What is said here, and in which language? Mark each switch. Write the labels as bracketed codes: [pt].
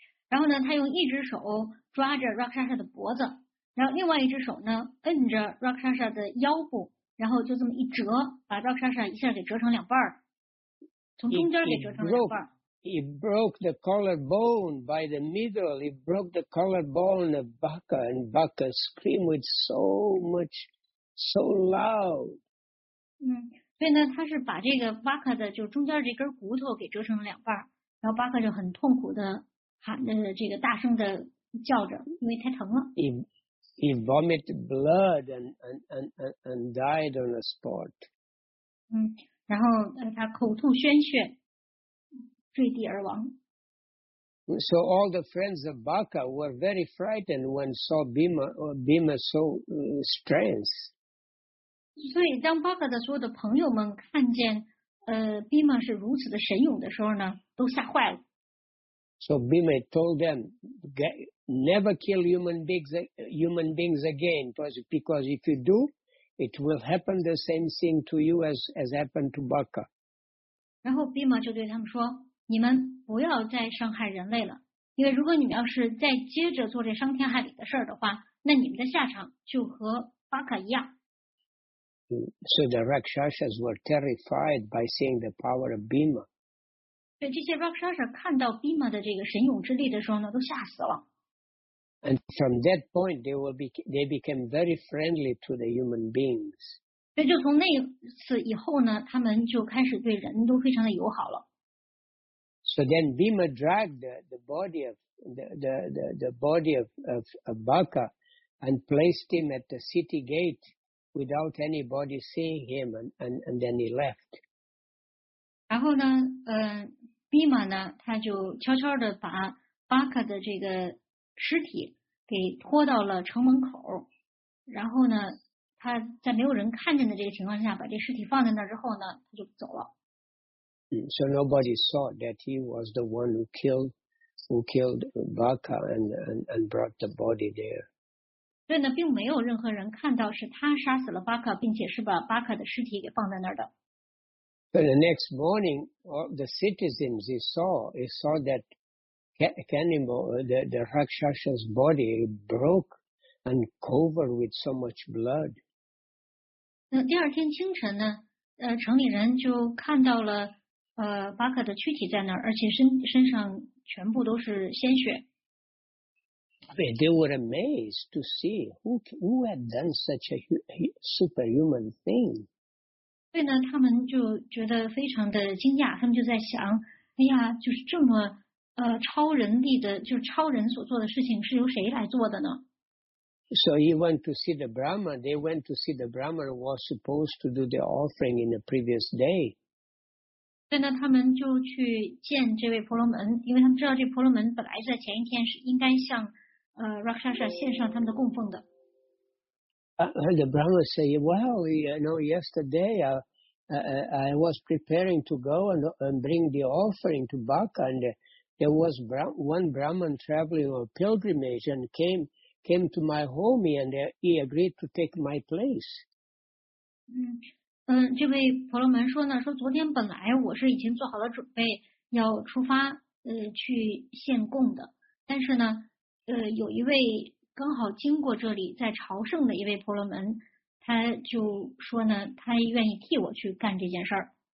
[zh] 然后呢，他用一只手抓着 Rakshasa 的脖子，然后另外一只手呢，摁着 Rakshasa 的腰部，然后就这么一折，把 Rakshasa 一下给折成两半儿，从中间给折成两半儿。 [en] He broke the collarbone by the middle. He broke the collarbone of Baka, and Baka screamed with so much, so loud. [zh] 所以呢，他是把这个 Baka 的就中间这根骨头给折成两半，然后巴克就很痛苦的喊的这个大声的叫着，因为太疼了。 [en] He vomited blood and died on the spot. [zh] 嗯，然后他口吐鲜血，坠地而亡。 [en] So all the friends of Baka were very frightened when saw Bhima so strength. [zh] 所以当巴克的所有的朋友们看见Bhima是如此的神勇的时候呢，都吓坏了。 [en] So Bhima told them, never kill human beings again, because if you do, it will happen the same thing to you as happened to Baka. [zh] 然后 Bhima 就对他们说，你们不要再伤害人类了，因为如果你们要是再接着做这伤天害理的事的话，那你们的下场就和巴卡一样。 [en] So the Rakshasas were terrified by seeing the power of Bhima. [zh] 对，这些 Rakshasa 看到 Bhima 的这个神勇之力的时候呢，都吓死了。 [en] And from that point, they became very friendly to the human beings. [zh] 所以就从那次以后呢，他们就开始对人都非常的友好了。 [en] So then Bhima dragged the body of Baka and placed him at the city gate without anybody seeing him, and then he left. [zh] 然后呢，Bhima 呢，他就悄悄地把 Baka 的这个尸体给拖到了城门口，然后呢，他在没有人看见的这个情况下，把这尸体放在那之后呢，他就走了。 [en] So nobody saw that he was the one who killed Baka and brought the body there. [zh] 对呢，并没有任何人看到是他杀死了巴克，并且是把巴克的尸体给放在那儿的。 [en] But the next morning, all the citizens saw that cannibal, the Rakshasa's body broke and covered with so much blood. [zh] 那第二天清晨呢，城里人就看到了。巴克的躯体在那儿，而且身上全部都是鲜血。 [en] They were amazed to see who had done such a superhuman thing. [zh] 所以呢，他们就觉得非常的惊讶，他们就在想，哎呀，就是这么超人力的，就是超人所做的事情是由谁来做的呢？ [en] So he went to see the Brahman. They went to see the Brahman who was supposed to do the offering in the previous day. [zh] 所以呢，他们就去见这位婆罗门，因为他们知道这婆罗门本来在前一天是应该向Rakshasa 献上他们的供奉的。 [en] The Brahma say, "Well, you know, yesterday I was preparing to go and bring the offering to Baka, and there was one Brahman traveling on pilgrimage and came to my home, and he agreed to take my place." [zh] 这位婆罗门说呢，说昨天本来我是已经做好了准备要出发去献供的，但是呢有一位刚好经过这里在朝圣的一位婆罗门，他就说呢，他愿意替我去干这件事儿。